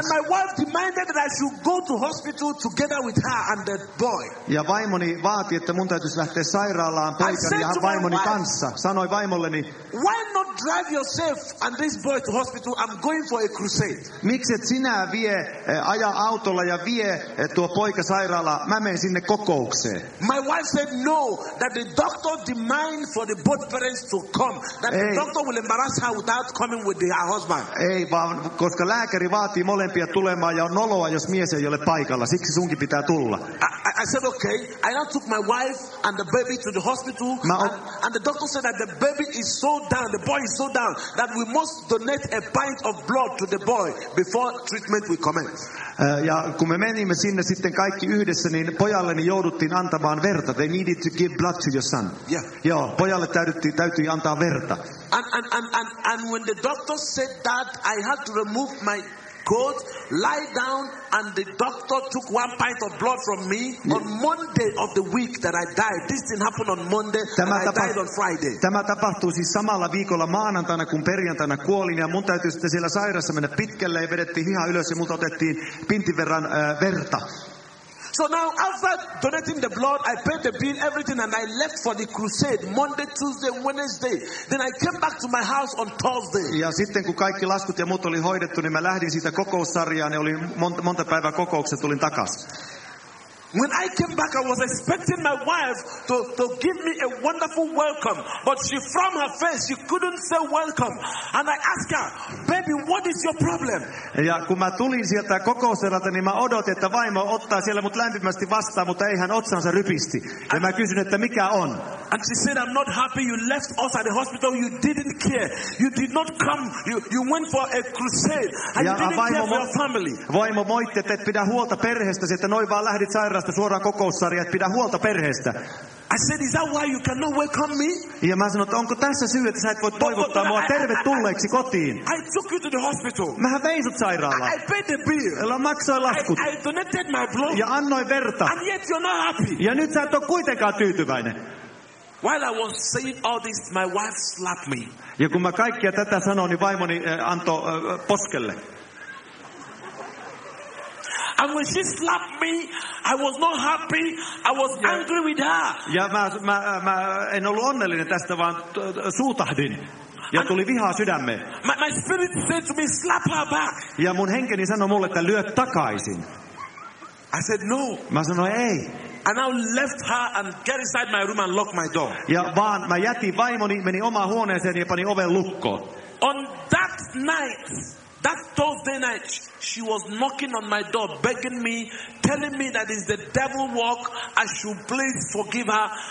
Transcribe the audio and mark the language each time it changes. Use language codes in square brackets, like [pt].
[en] And my wife demanded that I should go to hospital together with her and that boy. [fi] Ja vaimoni vaati, että mun täytyisi lähteä sairaalaan poikani ja vaimoni kanssa. Sanoi vaimolleni, [en] why not drive yourself and this boy to hospital? I'm going for a crusade. [fi] Miksi et sinä vie aja autolla ja vie tuo poika sairaalaan? Mä menen sinne kokoukseen. [en] My wife said no, that the doctor demand for the both parents to come, that [fi] ei. [en] The doctor will embarrass her without coming with her husband. [fi] Ei vaan, koska lääkäri vaatii molempia tulemaan ja on noloa, jos mies ei ole paikalla. Siksi sunkin pitää tulla. [en] I said okay. I now took my wife and the baby to the hospital. And the doctor said that the baby is so down, the boy is so down, that we must donate a pint of blood to the boy before treatment will commence. [fi] Ja kun me menimme sinne sitten kaikki yhdessä, niin pojalleni jouduttiin antamaan verta. [en] They needed to give blood to your son. Yeah. [fi] Joo, pojalle täytyi antaa verta. [en] And when the doctor said that, I had to remove my coat, lie down, and the doctor took one pint of blood from me on Monday of the week that I died. This thing happened on Monday, I died on Friday. [fi] Tämä tapahtui siis samalla viikolla maanantaina, kun perjantaina kuolin, ja mun täytyy sitten siellä sairaassa mennä pitkälle, ja vedettiin hiha ylös, ja multa otettiin pintin verran verta. [en] So now, after donating the blood, I paid the bill, everything, and I left for the crusade Monday, Tuesday, Wednesday. Then I came back to my house on Thursday. [fi] Ja sitten kun kaikki laskut ja muut oli hoidettu, niin mä lähdin siitä kokoussarjaan, ja oli monta päivää kokoukset, tulin takaisin. [en] When I came back, I was expecting my wife to give me a wonderful welcome. But she, from her face, she couldn't say welcome. And I asked her, baby, what is your problem? [fi] Ja kun mä tulin sieltä kokouserältä, niin mä odotin, että vaimo ottaa siellä mut lämpimästi vastaan, mutta ei hän otsansa rypisti. Ja mä kysyn, että mikä on? [en] And she said, I'm not happy. You left us at the hospital. You didn't care. You did not come. You went for a crusade. And [fi] ja [en] you didn't care for your family. [fi] Vaimo moitti, että et pidä huolta perheestä, että noin vaan lähdit sairaasta suoraan kokoussarjaan, että pidä huolta perheestä. [en] I said, is that why you cannot welcome me? [fi] Ja mä sanoin, onko tässä syy, että sä et voi toivottaa mua tervetulleeksi kotiin? [en] I took you to the hospital. [fi] Mähän vein sut sairaalaan. [en] I paid the bill. [fi] Mä maksoin laskut. [en] I donated my blood. [fi] Ja annoin verta. [en] And yet you're not happy. [fi] Ja nyt sä et ole kuitenkaan tyytyväinen. [en] While I was saying all this, my wife slapped me. [fi] Ja kun mä kaikkia tätä sanoin, niin vaimoni antoi poskelle. [en] And when she slapped me, I was not happy. I was angry with her. [fi] Ja mä en ollut onnellinen tästä, vaan suutahdin. Ja tuli vihaa sydämeen. [en] My spirit said to me, slap her back. [fi] Ja mun henkeni sanoi mulle, että lyö takaisin. [en] I said no. [fi] Mä sanoin ei. [en] I now left her and get inside my room and lock my door. [fi] Ja vaan mä jätin vaimoni, meni omaan huoneeseen ja pani oven lukkoon. [en] On that night, that Thursday night, she was knocking on my door, begging me, telling me that it's the devil walk, I should please forgive her.